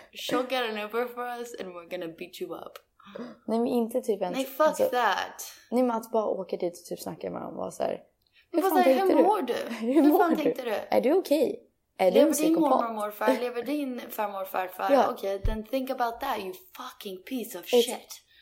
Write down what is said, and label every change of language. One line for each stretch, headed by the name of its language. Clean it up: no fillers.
English: She'll get an Uber for us and we're gonna beat you up.
Swedish: Nej, men inte typ ens. Nej, fuck alltså, that. Nej, men att bara åka dit och typ snacka med honom och vara såhär. Hur mår du? Hur mår du? Är du okej? Är du en psykopat? Lever din mormor och morfar? Lever din farmor och farfar? Ja.
English: Okej, then think about that, you fucking piece of shit.